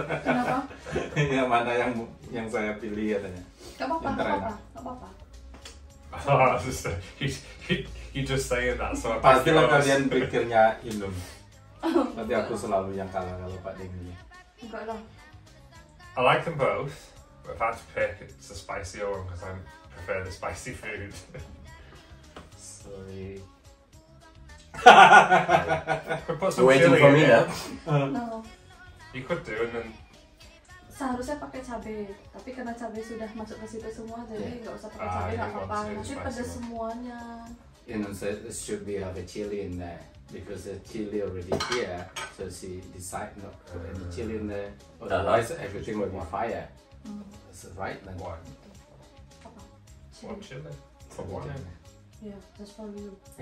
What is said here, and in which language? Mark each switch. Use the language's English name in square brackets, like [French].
[Indonesian] Kenapa? Yang mana yang saya pilih katanya. Gak apa-apa. [English] Oh, you just saying that so I [Indonesian] pasti lah kalian pikirnya Inun. Nanti aku selalu yang kalah kalau Pak Dengi. Enggak lah. [English] I like them both. If I had to pick, it's a spicy one because I prefer the spicy food. Sorry. Put some chili for me in. No. You could do and then. [Indonesian] Seharusnya pakai cabai, tapi karena cabai sudah masuk ke situ semua, jadi nggak usah pakai cabai, nggak apa-apa. Nanti pedas semuanya. [English] Inun said there should be have a chili in there because the chili already here, so she decide not to put any chili in there. Otherwise, everything will be fire. That's right, then. Why? Papa, chili. For what? Yeah, just for you.